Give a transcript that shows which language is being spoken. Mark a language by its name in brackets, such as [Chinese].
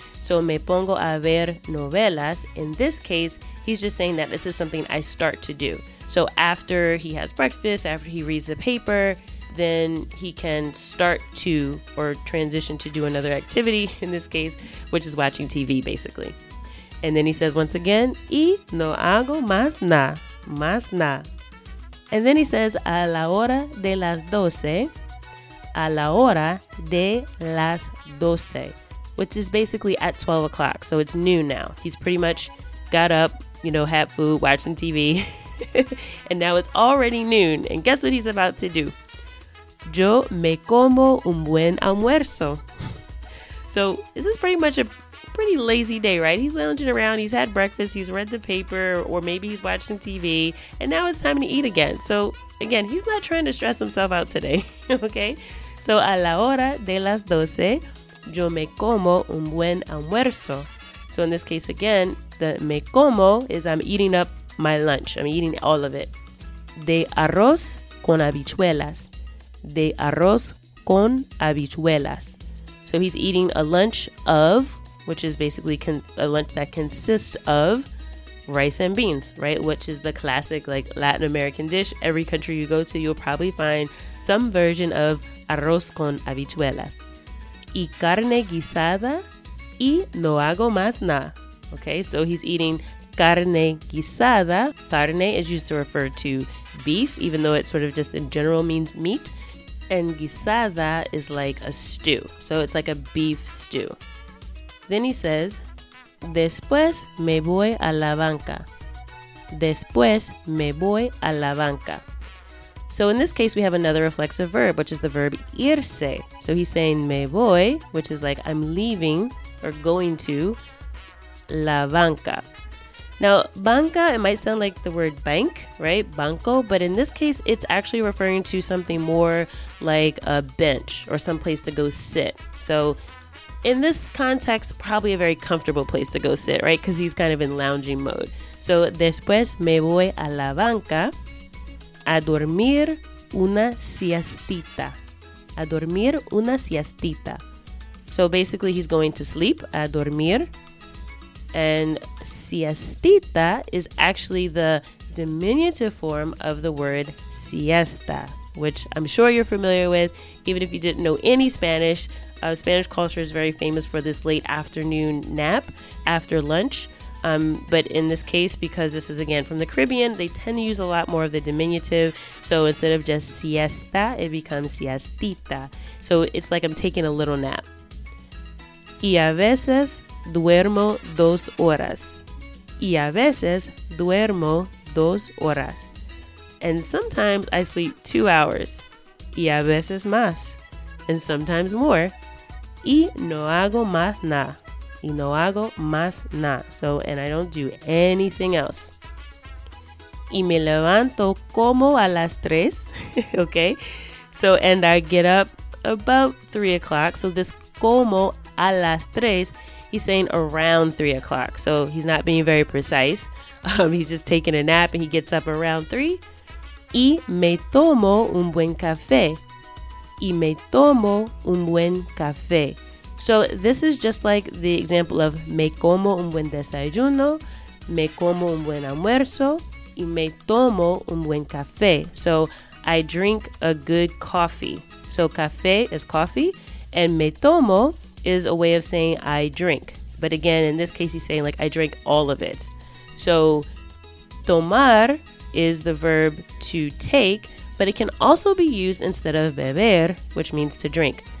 [English] So [Spanish] me pongo a ver novelas. [English] In this case, he's just saying that this is something I start to do. So after he has breakfast, after he reads the paper, then he can start to or transition to do another activity in this case, which is watching TV basically. And then he says once again, [Spanish] y no hago más nada, más nada. [English] And then he says, [Spanish] a la hora de las doce, [English] a la hora de las doce, which is basically at 12 o'clock. So it's noon now. He's pretty much got up, you know, had food, watching TV. And now it's already noon. And guess what he's about to do? [Spanish] Yo me como un buen almuerzo. [English] So this is pretty much a pretty lazy day, right? He's lounging around. He's had breakfast. He's read the paper, or maybe he's watched some TV, and now it's time to eat again. So again, he's not trying to stress himself out today, okay? [Spanish] So a la hora de las doce, yo me como un buen almuerzo. [English] So in this case, again, the [Spanish] me como [English] is I'm eating up my lunch. I'm eating all of it. [Spanish] De arroz con habichuelas. De arroz con habichuelas. [English] So he's eating a lunch of, which is basically a lunch that consists of rice and beans, right? Which is the classic like Latin American dish. Every country you go to, you'll probably find some version of [Spanish] arroz con habichuelas. Y carne guisada y no hago más nada. [English] Okay, so he's eating carne guisada. Carne is used to refer to beef, even though it sort of just in general means meat. And guisada is like a stew. So it's like a beef stew. Then he says, [Spanish] después me voy a la banca. Después me voy a la banca. [English] So in this case, we have another reflexive verb, which is the verb irse. So he's saying [Spanish] me voy, [English] which is like I'm leaving or going to la banca. Now, banca, it might sound like the word bank, right? Banco. But in this case, it's actually referring to something more like a bench or someplace to go sit. So in this context, probably a very comfortable place to go sit, right? Because he's kind of in lounging mode. [Spanish] So, después me voy a la banca a dormir una siestita. A dormir una siestita. [English] So, basically, he's going to sleep, [Spanish] a dormir. [English] And siestita is actually the diminutive form of the word siesta, which I'm sure you're familiar with, even if you didn't know any Spanish. Spanish culture is very famous for this late afternoon nap after lunch. But in this case, because this is again from the Caribbean, they tend to use a lot more of the diminutive. So instead of just siesta, it becomes siestita. So it's like I'm taking a little nap. [Spanish] Y a veces duermo dos horas. Y a veces duermo dos horas. [English] And sometimes I sleep 2 hours. Y a veces más. And sometimes more. Y no hago más nada. Y no hago más nada. So, and I don't do anything else. [Spanish] Y me levanto como a las tres. [English] Okay. So, and I get up about 3 o'clock. So this [Spanish] como a las tres, [English] he's saying around 3 o'clock. So he's not being very precise. He's just taking a nap and he gets up around three. [Spanish] Y me tomo un buen café. Y me tomo un buen café. [English] So this is just like the example of [Spanish] me como un buen desayuno, me como un buen almuerzo, y me tomo un buen café. [English] So I drink a good coffee. So café is coffee, and me tomo is a way of saying I drink. But again, in this case, he's saying like I drink all of it. So tomar is the verb to take, but it can also be used instead of beber, which means to drink.